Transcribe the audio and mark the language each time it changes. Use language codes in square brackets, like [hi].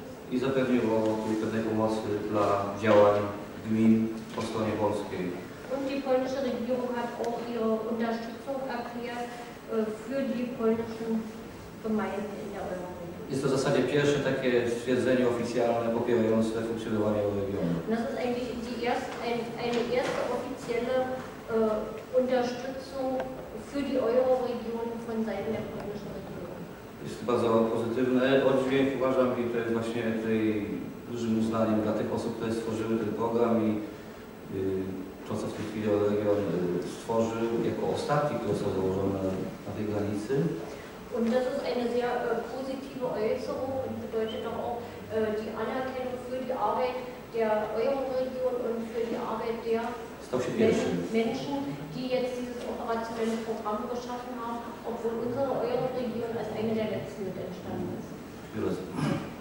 [pl] I zapewnił o pewnej pomocy dla działań gmin po stronie polskiej. [de] Und die polnische Regierung hat auch ihre Unterstützung erklärt für die polnischen Gemeinden in der Euroregion. [pl] Jest to w zasadzie pierwsze takie stwierdzenie oficjalne popierające funkcjonowanie Euroregionu. [de] Das ist eigentlich eine erste offizielle Unterstützung für die Euroregion von Seiten der polnischen Regierung. [pl] Jest to bardzo pozytywne oddźwięk, uważam, i to jest właśnie tutaj dużym uznaniem dla tych osób, które stworzyły ten program i to, co w tej chwili region stworzył jako ostatni, które są założone na tej granicy. [de] Und das ist eine sehr positive Äußerung und bedeutet auch die Anerkennung für die Arbeit der Euroregion und für die Arbeit der Menschen, die jetzt dieses operationelle Programm geschaffen haben, obwohl unsere Euroregion als eine der letzten mit entstanden ist.